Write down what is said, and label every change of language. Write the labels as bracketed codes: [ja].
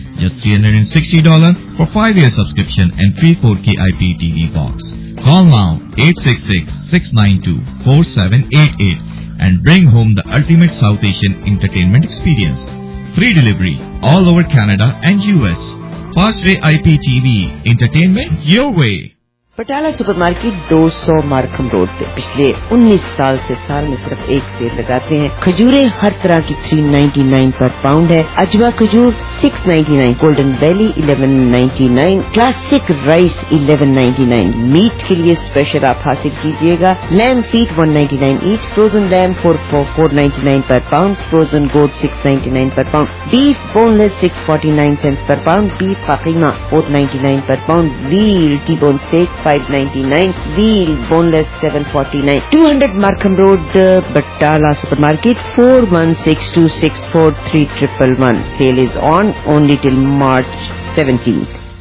[en] Just $360 for 5 years subscription and free 4K IPTV box. Call now 866-692-4788 and bring home the ultimate South Asian entertainment experience. Free delivery all over Canada and US. Fastway IPTV, entertainment your way. [hi] पटाला supermarket 200 Markham road पे पिछले 19 साल से साल में सिर्फ एक cell लगाते हैं। खजूरे हर तरह की 3.99 पर पाउंड है। अजवा खजूर 6.99, golden valley 11.99, classic rice 11.99। Meet के लिए स्पेशल आप हासिल कीजिएगा lamb feet 1.99 each, frozen lamb 4.99 पर पाउंड, फ्रोजन गोट 6.99 पर पाउंड, बीफ बोनलेस 6.49 सेंट पर पाउंड, बीफ फकीमा 4.99 पर pound, we'll T bone stake 599, [en] wheel boneless 749, 200 Markham Road, Batala Supermarket, [hi] 416264311. [en] Sale is on only till March 17th.